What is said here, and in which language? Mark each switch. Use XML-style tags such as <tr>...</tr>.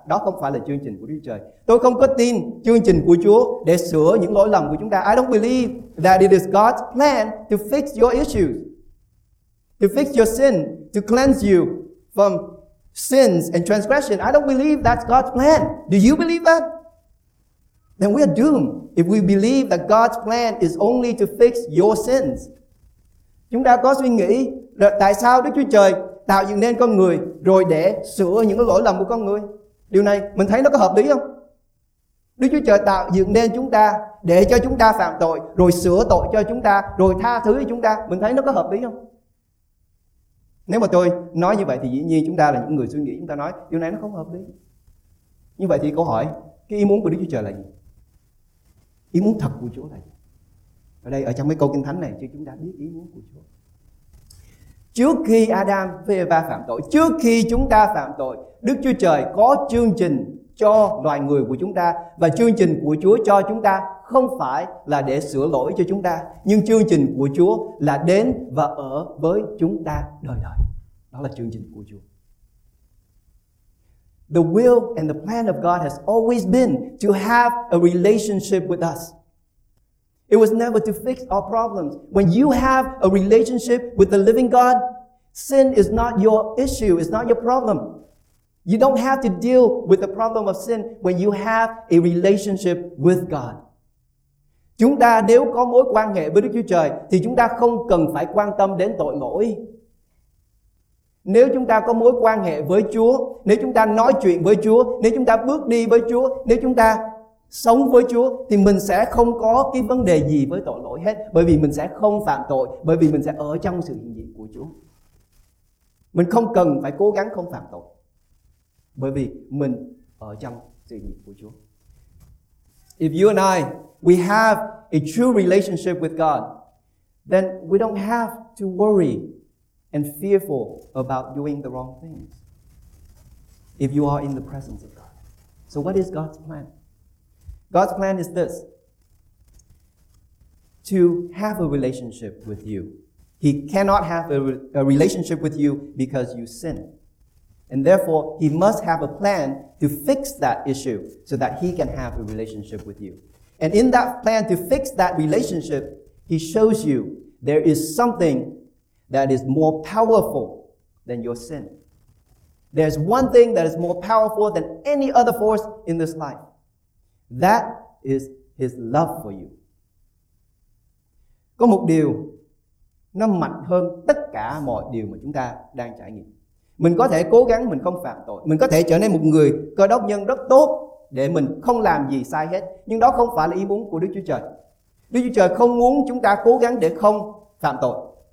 <vi>Đó không phải là chương trình của Đức Chúa Trời. Tôi không có tin chương trình của Chúa để sửa những lỗi lầm của chúng ta.</vi> <en>I don't believe that it is God's plan to fix your issues, to fix your sin, to cleanse you from sins and transgression. I don't believe that's God's plan. Do you believe that? Then we are doomed if we believe that God's plan is only to fix your sins.</en> <vi>Chúng ta có suy nghĩ là tại sao Đức Chúa Trời tạo dựng nên con người rồi để sửa những lỗi lầm của con người? Điều này mình thấy nó có hợp lý không? Đức Chúa Trời tạo dựng nên chúng ta để cho chúng ta phạm tội, rồi sửa tội cho chúng ta, rồi tha thứ cho chúng ta. Mình thấy nó có hợp lý không? Nếu mà tôi nói như vậy thì dĩ nhiên chúng ta là những người suy nghĩ, chúng ta nói điều này nó không hợp lý. Như vậy thì câu hỏi, cái ý muốn của Đức Chúa Trời là gì? Ý muốn thật của Chúa là gì? Ở đây, ở trong mấy câu Kinh Thánh này, chúng ta biết ý muốn của Chúa. Trước khi Adam và Eva phạm tội, trước khi chúng ta phạm tội, Đức Chúa Trời có chương trình cho loài người của chúng ta. Và chương trình của Chúa cho chúng ta không phải là để sửa lỗi cho chúng ta, nhưng chương trình của Chúa là đến và ở với chúng ta đời đời. Đó là chương trình của Chúa.</vi> <en>The will and the plan of God has always been to have a relationship with us. It was never to fix our problems. When you have a relationship with the living God, sin is not your issue, it's not your problem. You don't have to deal with the problem of sin when you have a relationship with God.</en> <vi>Chúng ta nếu có mối quan hệ với Đức Chúa Trời thì chúng ta không cần phải quan tâm đến tội lỗi. Nếu chúng ta có mối quan hệ với Chúa, nếu chúng ta nói chuyện với Chúa, nếu chúng ta bước đi với Chúa, nếu chúng ta sống với Chúa thì mình sẽ không có cái vấn đề gì với tội lỗi hết, bởi vì mình sẽ không phạm tội, bởi vì mình sẽ ở trong sự hiện diện của Chúa. Mình không cần phải cố gắng không phạm tội, bởi vì mình ở trong sự hiện diện của Chúa.</vi> <en>If you and I, we have a true relationship with God, then we don't have to worry and fearful about doing the wrong things if you are in the presence of God. So what is God's plan? God's plan is this: to have a relationship with you. He cannot have a relationship with you because you sin. And therefore, he must have a plan to fix that issue so that he can have a relationship with you. And in that plan to fix that relationship, he shows you there is something that is more powerful than your sin. There's one thing that is more powerful than any other force in this life. That is his love for you.</en> <vi>Có một điều nó mạnh hơn tất cả mọi điều mà chúng ta đang trải nghiệm. Mình có thể cố gắng mình không phạm tội, mình có thể trở nên một người cơ đốc nhân rất tốt để mình không làm gì sai hết, nhưng đó không phải là ý muốn của Đức Chúa Trời. Đức Chúa Trời không muốn chúng ta cố gắng để không phạm tội.</vi>